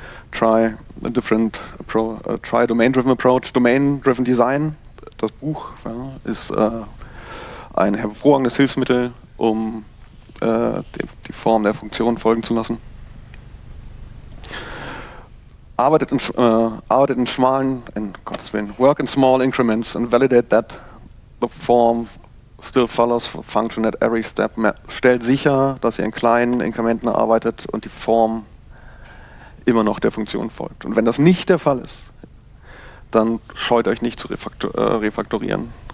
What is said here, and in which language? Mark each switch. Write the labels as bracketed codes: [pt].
[en] Try Domain-Driven Approach. [de] Domain-Driven Design, das Buch, ja, ist ein hervorragendes Hilfsmittel, um die Form der Funktion folgen zu lassen. [en] Work in small increments and validate that the form still follows function at every step. [de] Stellt sicher, dass ihr in kleinen Inkrementen arbeitet und die Form immer noch der Funktion folgt. Und wenn das nicht der Fall ist, dann scheut euch nicht zu refaktorieren.